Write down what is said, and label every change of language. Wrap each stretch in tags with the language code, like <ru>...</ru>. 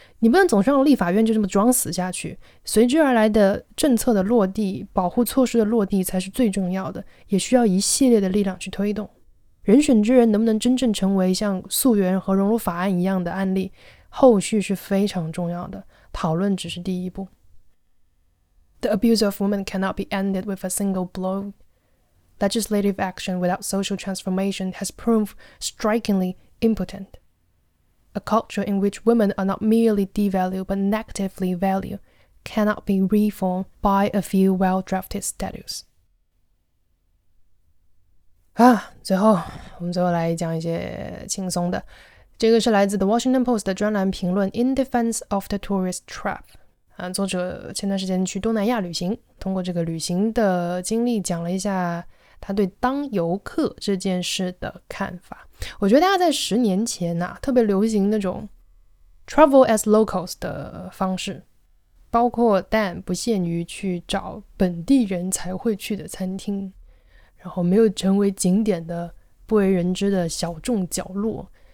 <zh>你不能总是让立法院就这么装死下去，随之而来的政策的落地，保护措施的落地才是最重要的，也需要一系列的力量去推动。人选之人能不能真正成为像溯源和融入法案一样的案例，后续是非常重要的，讨论只是第一步。</zh> <en>The abuse of women cannot be ended with a single blow. Legislative action without social transformation has proved strikingly impotent. A culture in which women are not merely devalued but negatively valued cannot be reformed by a few well-drafted statutes.</en> <zh>啊，最后我们最后来讲一些轻松的。这个是来自 The Washington Post 的专栏评论 In Defense of the Tourist Trap。作者前段时间去东南亚旅行，通过这个旅行的经历讲了一下他对当游客这件事的看法。我觉得大家在十年前啊，特别流行那种</zh> <en>travel as locals</en> <zh>的方式，包括但不限于去找本地人才会去的餐厅，然后没有成为景点的不为人知的小众角落。</zh>